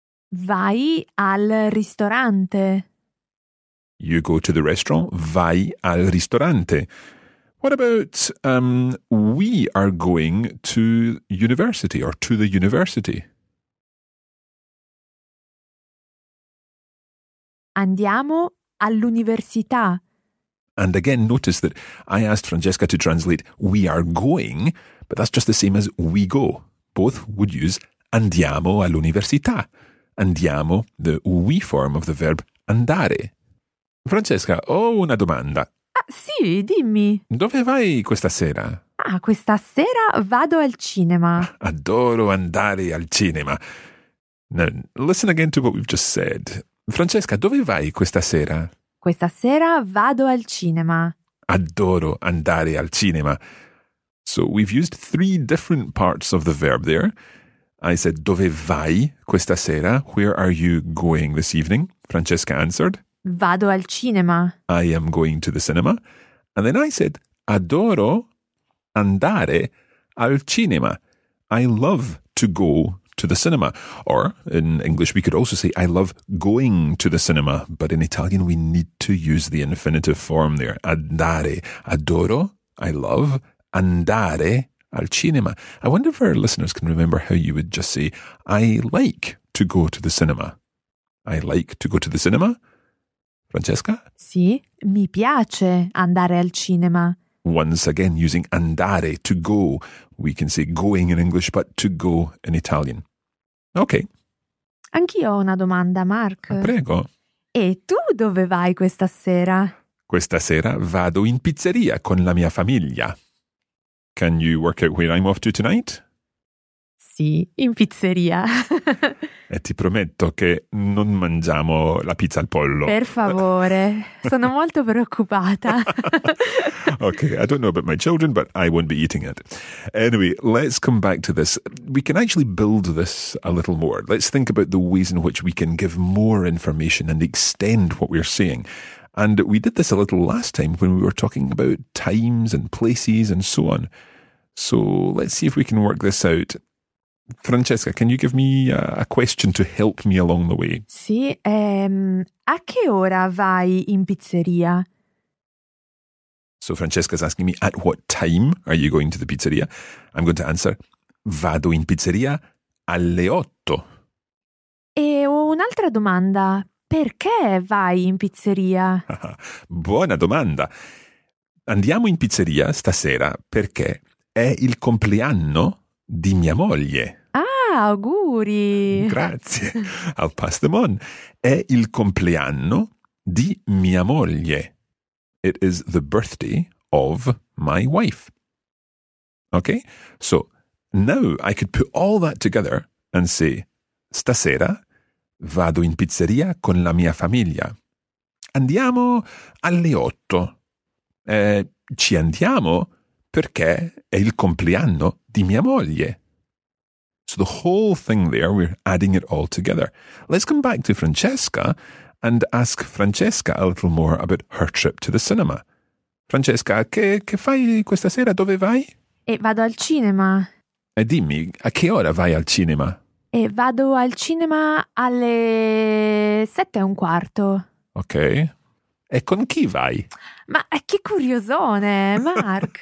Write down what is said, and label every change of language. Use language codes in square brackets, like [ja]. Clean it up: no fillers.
[it] Vai al ristorante. [en] You go to the restaurant. [it] Vai al ristorante. [en] What about we are going to university or to the university? [it] Andiamo all'università. [en] And again, notice that I asked Francesca to translate we are going, but that's just the same as we go. Both would use [it] andiamo all'università. [en] Andiamo, the we form of the verb andare. [it] Francesca, ho una domanda. Ah, sì, dimmi. Dove vai questa sera? Ah, questa sera vado al cinema. Adoro andare al cinema. [en] Now, listen again to what we've just said. [it] Francesca, dove vai questa sera? Questa sera vado al cinema. Adoro andare al cinema. [en] So we've used three different parts of the verb there. I said, [it] dove vai questa sera? [en] Where are you going this evening? Francesca answered. [it] Vado al cinema. [en] I am going to the cinema. And then I said, [it] adoro andare al cinema. [en] I love to go to the cinema. Or in English, we could also say, I love going to the cinema. But in Italian, we need to use the infinitive form there. [it] Andare. Adoro. [en] I love. [it] Andare al cinema. [en] I wonder if our listeners can remember how you would just say, I like to go to the cinema. I like to go to the cinema. Francesca? [it] Sì, mi piace andare al cinema. [en] Once again, using andare, to go. We can say going in English, but to go in Italian. Okay. [it] Anch'io ho una domanda, Mark. Prego. E tu dove vai questa sera? Questa sera vado in pizzeria con la mia famiglia. [en] Can you work out where I'm off to tonight? [it] Sì, in pizzeria. E ti prometto che non mangiamo la pizza al pollo. Per favore, sono molto preoccupata. [en] Okay, I don't know about my children, but I won't be eating it. Anyway, let's come back to this. We can actually build this a little more. Let's think about the ways in which we can give more information and extend what we're saying. And we did this a little last time when we were talking about times and places and so on. So let's see if we can work this out. Francesca, can you give me a question to help me along the way? [it] Sì, a che ora vai in pizzeria? [en] So Francesca's asking me, at what time are you going to the pizzeria? I'm going to answer, [it] vado in pizzeria alle 8. E ho un'altra domanda. Perché vai in pizzeria? Buona domanda. Andiamo in pizzeria stasera perché è il compleanno di mia moglie. Ah, auguri! Grazie. Al pastemon. È il compleanno di mia moglie. [en] It is the birthday of my wife. Okay? So, now I could put all that together and say, [it] stasera vado in pizzeria con la mia famiglia. Andiamo alle 8. Ci andiamo perché è il compleanno di mia moglie. [en] So the whole thing there, we're adding it all together. Let's come back to Francesca and ask Francesca a little more about her trip to the cinema. [it] Francesca, che fai questa sera? Dove vai? E vado al cinema. E dimmi, a che ora vai al cinema? E vado al cinema alle 7:15. Ok. E con chi vai? Ma che curiosone, Mark!